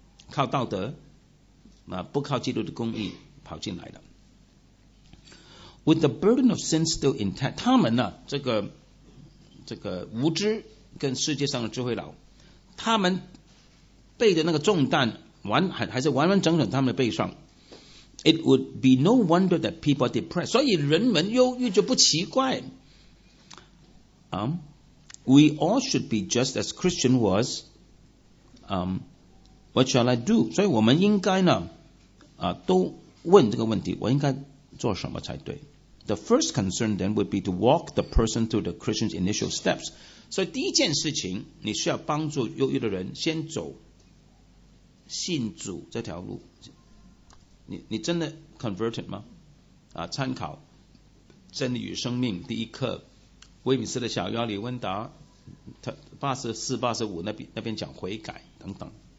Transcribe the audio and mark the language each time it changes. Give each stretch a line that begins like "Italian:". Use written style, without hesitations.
Chinese: 靠道德，不靠基督的公义跑进来的 ？
English: With the burden of sin still intact，
Chinese: 他们呢，这个无知跟世界上的智慧佬，他们背着那个重担还是完完整整他们的背上。
English: It would be no wonder that people are depressed，
Chinese: 所以人们忧郁就不奇怪。
English: We all should be just as Christian was. What shall I do?
Chinese: 所以我们应该呢，都问这个问题，我应该做什么才对？
English: The first concern then would be to walk the person through the Christian's initial steps.
Chinese: 所以第一件事情，你需要帮助忧郁的人先走信主这条路。你真的 converted 吗？参考《真理与生命》第一课。威米斯的小妖里温达，他84、85那边讲悔改等等。